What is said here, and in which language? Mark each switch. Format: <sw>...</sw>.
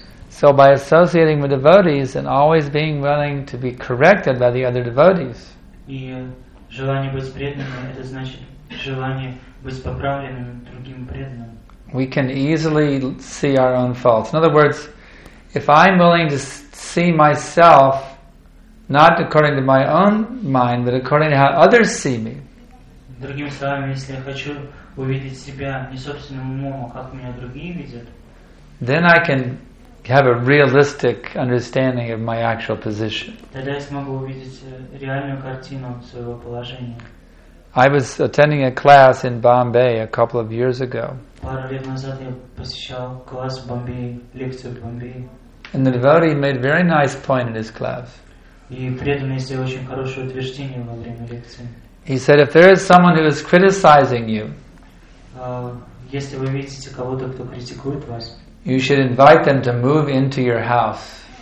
<en>So by associating with devotees and always being willing to be corrected by the other devotees, we can easily see our own faults. In other words, if I'm willing to see myself not according to my own mind, but according to how others see me,</en> <ru>другими словами, если я хочу увидеть себя не собственным умом, а как меня другие видят,</ru> <en>then I can have a realistic understanding of my actual position.</en> <ru>Тогда я смогу увидеть реальную картину своего положения.</ru> <en>I was attending a class in Bombay a couple of years ago.</en> <ru>Пару лет назад я посещал класс в Бомбее, лекцию в Бомбее.</ru> <en>And the devotee made a very nice point in his class. He said, if there is someone who is criticizing you, you should invite them to move into your house.</en>